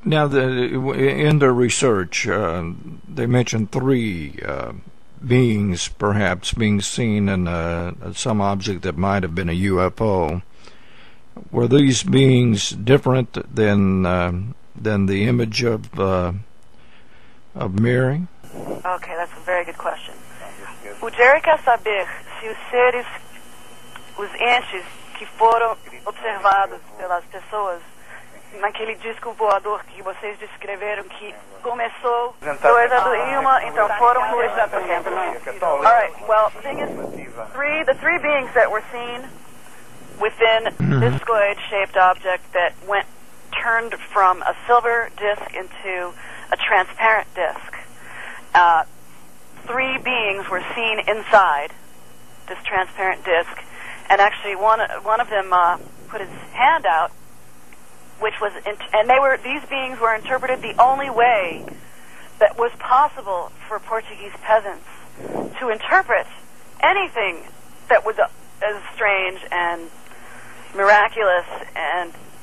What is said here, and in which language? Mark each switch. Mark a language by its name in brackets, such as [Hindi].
[English] Now, in their research, they mentioned three beings, perhaps, being seen in some object that might have been a UFO. Were these beings different than the image of Mary? Okay, that's a very good question. [Portuguese] O Jerica saber se os seres, os entes que foram observados pelas pessoas naquele disco voador que vocês descreveram que começou dois a uma, então foram dois a [English] All right, well, the thing is, the three beings that were seen within this discoid-shaped object that went turned from a silver disc into a transparent disc. Three beings were seen inside this transparent disc, and actually one of them put his hand out, which was these beings were interpreted the only way that was possible for Portuguese peasants to interpret anything that was as strange and miraculous and